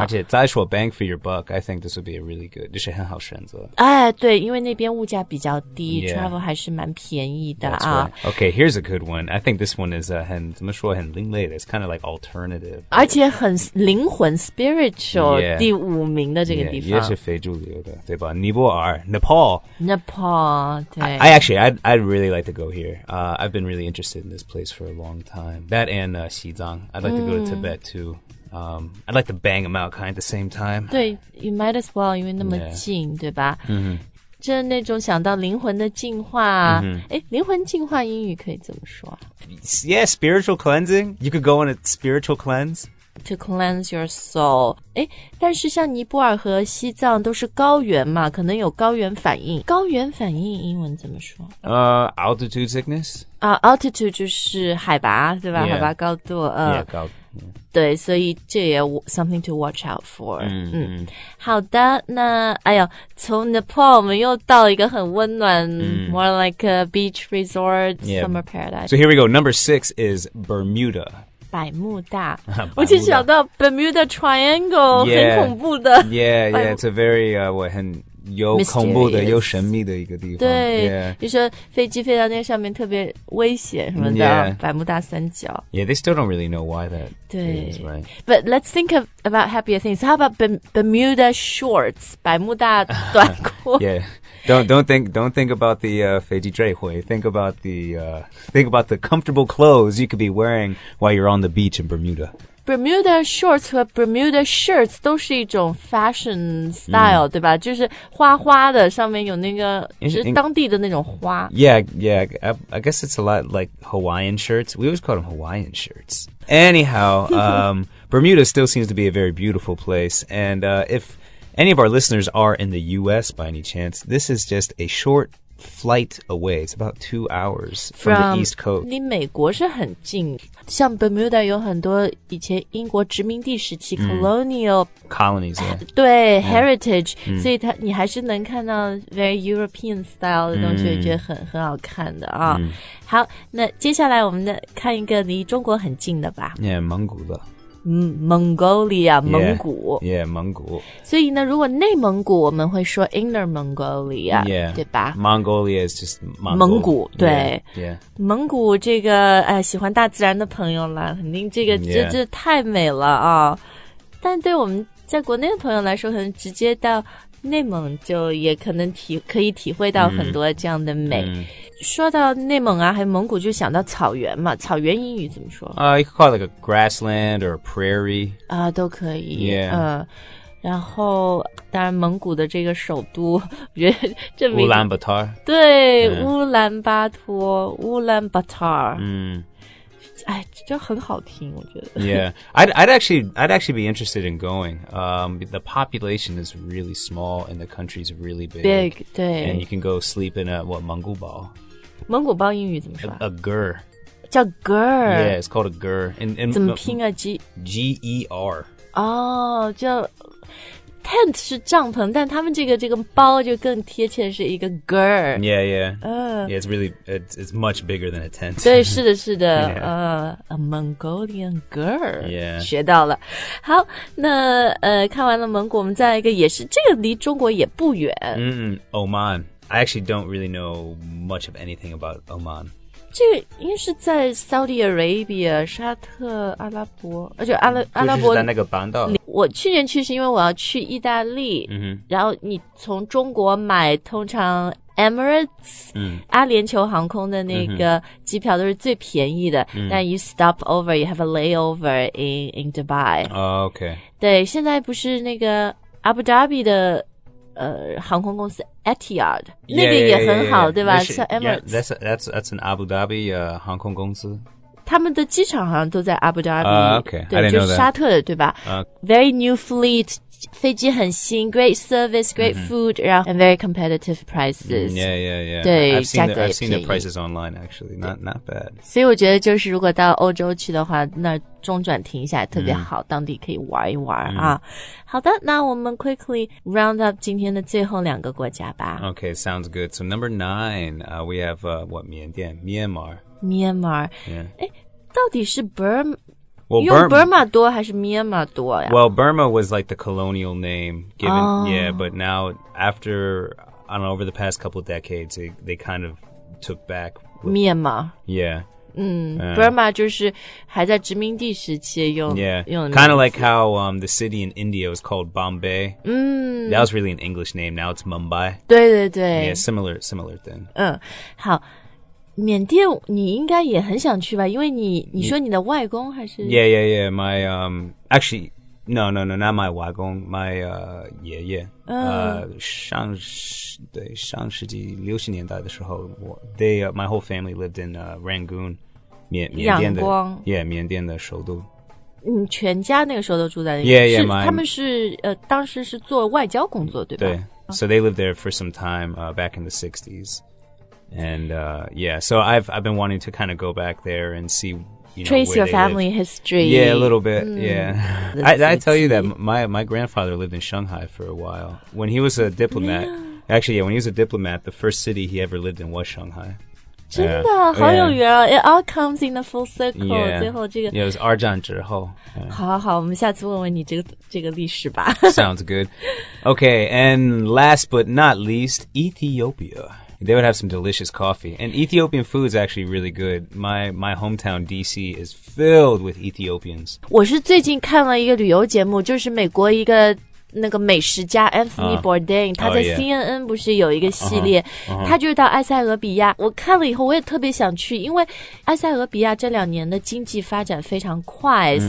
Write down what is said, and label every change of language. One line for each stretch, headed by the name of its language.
Chinese: 而且再说
English: bang for your buck, I think this would be a really good,
Chinese: 这是很好选择。哎对因为那边物价比较低、
English: yeah.
Chinese: travel 还是蛮便宜的。
English: That's right. Okay, here's a good one. I think this one is
Chinese: 很怎么说很另类的
English: it's kind of like alternative.
Chinese: 而且很灵魂 spiritual,
English: yeah,
Chinese: 第五名的这个地方。 Yeah, 也是非主流的对吧尼泊尔 Nepal.
English: Nepal. I'd really like to go here. I've been really interested in this place for a long time. That and Xizang. I'd like to go to Tibet too. I'd like to bang them out kind of at the same time.
Chinese: 对
English: you might as well,
Chinese: 因为那么近、
English: yeah.
Chinese: 对吧、 mm-hmm. 这那种想到灵魂的净化、 mm-hmm. 灵魂净化英语可以怎么说
English: Yeah, spiritual cleansing. You could go on a spiritual cleanse. To cleanse your soul.
Chinese: 诶但是像尼泊尔和西藏都是高原嘛可能有高原反应。高原反应英文怎么说
English: altitude sickness?
Chinese: Altitude 就是海拔对吧、
English: yeah.
Chinese: 海拔高度。 Yeah, 高度。对所以这也
English: something to watch out for. 嗯、 mm-hmm. 嗯。
Chinese: 好的那哎呦从 Nepal 我们又到一个很温暖、 mm-hmm.
English: more like a beach resort,、 yeah. summer paradise. So here we go, number six is Bermuda.
Chinese: 百慕大我就想到 Bermuda Triangle
English: yeah,
Chinese: 很恐怖的
English: Yeah, yeah, it's a very
Chinese: 我很有恐怖的、
English: Mysterious.
Chinese: 有神秘的一个地方对、
English: yeah.
Chinese: 就是飞机飞到那上面特别危险什么的、
English: yeah.
Chinese: 百慕大三角
English: Yeah, they still don't really know why that
Chinese: 对
English: is, right? But let's think of, about happier things How about Bermuda Shorts 百慕大短裤 Yeah Don't think about the
Chinese: 飞机坠毁
English: Think about the comfortable clothes you could be wearing while you're on the beach in Bermuda. Bermuda shorts 和 Bermuda shirts
Chinese: 都是一种
English: fashion style,、mm.
Chinese: 对吧？就是花花的，上面有那个是当地的那种花。
English: Yeah, I guess it's a lot like Hawaiian shirts. We always call them Hawaiian shirts. Anyhow, Bermuda still seems to be a very beautiful place, and if... Any of our listeners are in the U.S. by any chance, this is just a short flight away. It's about 2 hours from the East Coast.
Chinese: 离美国是很近。像 Bermuda 有很多以前英国殖民地时期 colonial、
English: mm. colonies、yeah.
Chinese: 对、mm. heritage、mm. 所以它你还是能看到
English: very European style
Chinese: 的东西、mm. 觉得很好看的、哦 mm. 好那接下来我们的看一个离中国很近的吧 yeah, 蒙古的
English: Mongolia,
Chinese: 蒙古 Yeah, 蒙古所以呢如果内蒙古我们会说 Inner Mongolia
English: Yeah
Chinese: 对吧
English: Mongolia is just
Chinese: 蒙古对
English: yeah, yeah
Chinese: 蒙古这个喜欢大自然的朋友啦肯定这个、
English: yeah.
Chinese: 这太美了啊、哦、但对我们在国内的朋友来说可能直接到内蒙就也可能可以体会到很多这样的美、嗯嗯、说到内蒙啊还有蒙古就想到草原嘛草原英语怎么说
English: you could call it like a grassland or a prairie
Chinese: 啊都可以
English: yeah、
Chinese: 然后当然蒙古的这个首都，我觉得这乌兰巴托，对、嗯、乌兰巴托，乌兰巴托，嗯，哎，这很好听，我觉得。
English: Yeah, I'd actually be interested in going. The population is really small, and the country is really big. Big, 对。 And you can go sleep in a what 蒙古包。
Chinese: 蒙古包英语怎么说
English: ？A ger.
Chinese: 叫 ger.
English: Yeah, it's called a ger. And
Chinese: 怎么拼啊 ？G
English: G E R.
Chinese: 哦，叫 tent 是帐篷，但他们这个包就更贴切是一个 ger.
English: Yeah, yeah. Yeah, it's really, it's much bigger than a tent.
Chinese: 对，是的，是的。
English: A Mongolian girl. Yeah.
Chinese: 学到了。好，那看完了蒙古，我们再来一个，也是这个离中国也不远。
English: 嗯、Oman. I actually don't really know much of anything about Oman.
Chinese: 这个应该是在 Saudi Arabia, 沙特阿拉伯，而且阿拉伯。就是在那个半岛。我去年去是因为我要去意大利。嗯。然后你从中国买通常Emirates、嗯、阿联酋航空的那个机票都是最便宜的、嗯、
English: 但 you stop over, you have a layover in Dubai、 OK
Chinese: 对现在不是那个阿布达比的、航空公司 Etihad
English: yeah,
Chinese: 那个也很好
English: yeah, yeah, yeah,
Chinese: 对吧像 Emirates
English: yeah, that's an Abu Dhabi、
Chinese: 航空公司他们的机场好像都在 Abu Dhabi、
English: OK
Chinese: 对就是沙特的对吧、
English: Very new fleet
Chinese: 飞机很新
English: great service, great food,、mm-hmm. 然后 and very competitive prices.、 Mm, yeah, yeah, yeah.
Chinese: 对
English: I've seen the prices online, actually. Not bad.
Chinese: 所以我觉得就是如果到欧洲去的话那中转停一下特别好、mm. 当地可以玩一玩、mm. 啊。好的那我们
English: quickly round up
Chinese: 今天的最后两个国家吧。
English: Okay, sounds good. So number nine,、we have,、what, 缅甸 Myanmar. Myanmar.、 Yeah.
Chinese: 到底是 Burma?
English: Well,
Chinese: Burma 多还是 Myanmar 多呀
English: Well, Burma was like the colonial name given,、oh. yeah, but now after, I don't know, over the past couple of decades, they kind of took back. With, Myanmar. Yeah.、
Chinese: Mm, Burma 就是还在殖民地时期用
English: Yeah,
Chinese: 用的
English: kind of like how、the city in India was called Bombay.、 Mm. That was really an English name, now it's Mumbai.
Chinese: 对对对。
English: Yeah, similar thing.
Chinese: 嗯，好。缅甸你应该也很想去吧因为你说你的外公还是
English: Yeah, yeah, yeah, my, actually, no, not my 外公 my, 爷爷、
Chinese: 上世纪六十年代的时候
English: my whole family lived in Rangoon,
Chinese: 缅甸的阳光 Yeah, 缅甸的首都你全家那个时候都住在那
English: 里 Yeah, yeah, my
Chinese: 他们是、当时是做外交工作对吧
English: 对 So they lived there for some time、back in the 60s And, yeah, so I've been wanting to kind of go back there and see, you know, trace your family history. Yeah, a little bit,、mm. yeah. I tell you that my grandfather lived in Shanghai for a while. When he was a diplomat,、yeah. actually, yeah, when he was a diplomat, the first city he ever lived in was Shanghai.
Chinese: 真的、yeah. 好有缘啊、
English: yeah. It all comes in the full circle. Yeah,
Chinese: 最后、这个、
English: yeah it was
Chinese: 二战之后。好好好我们下次问问你这个历史吧。
English: Sounds good. Okay, and last but not least, Ethiopia. They would have some delicious coffee. And Ethiopian food is actually really good. My hometown, D.C., is filled with Ethiopians.
Chinese: 我是最近看了一个旅游节目，就是美国一个那个美食家 Anthony Bourdain， 他在 CNN 不是有一个系列，
English: uh-huh.
Chinese: 他就是到埃塞俄比亚。我看了以后，我也特别想去，因为埃塞俄比亚这两年的经济发展非常快、mm.